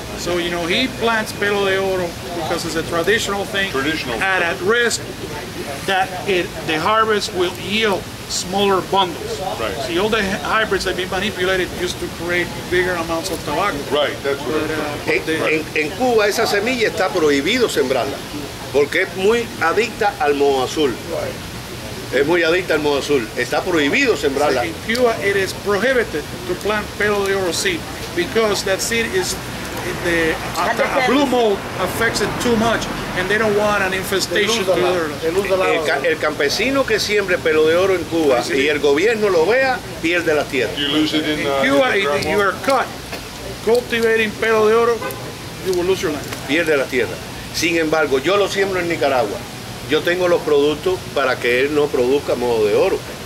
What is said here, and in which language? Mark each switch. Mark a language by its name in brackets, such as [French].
[English] So, you know, he plants Pelo de Oro because it's a traditional thing. Traditional. And at risk that the harvest will yield smaller bundles. Right. See, all the hybrids that have been manipulated used to create bigger amounts of tobacco. Right, that's what [Spanish] En Cuba esa semilla está prohibido sembrarla porque es muy adicta al moho azul. Es muy adicta al moho azul. Está prohibido sembrarla. [English] In Cuba, it is prohibited to plant Pelo de Oro seed because that seed is the blue mold affects it too much, and they don't want an infestation. [Spanish] El campesino que siembre Pelo de Oro en Cuba y el gobierno lo vea pierde la tierra. [English] You lose it in Cuba. In you are cut cultivating Pelo de Oro, you will lose your land. [Spanish] Pierde la tierra. Sin embargo, yo lo siembro en Nicaragua. Yo tengo los productos para que él no produzca moho de oro.